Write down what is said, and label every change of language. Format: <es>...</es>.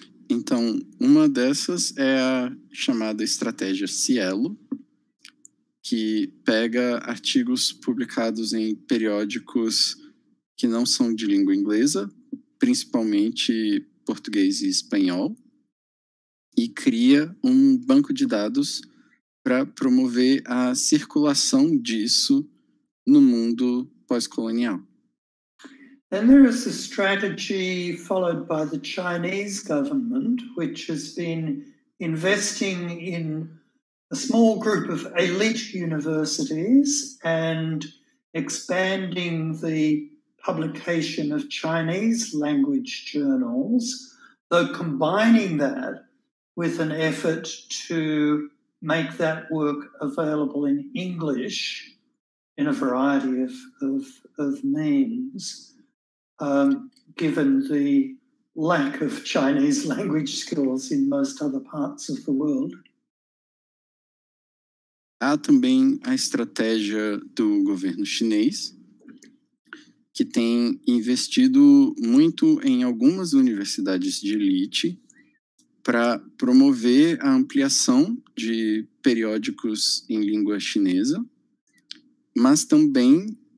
<pt>Então, dessas é a chamada estratégia Cielo, que pega artigos publicados em periódicos que não são de língua inglesa, principalmente português e espanhol, e cria banco de dados para promover a circulação disso no mundo pós-colonial.</pt> <en>And there is a strategy followed by the Chinese government, which has been investing in a small group of elite universities and expanding the publication of Chinese language journals, though combining that with an effort to make that work available in English in a variety of means, given the lack of Chinese language skills in most other parts of the world.</en> <pt>Há também a estratégia do governo chinês, que tem investido muito em algumas universidades de elite para promover a ampliação de periódicos em língua chinesa, mas também</pt>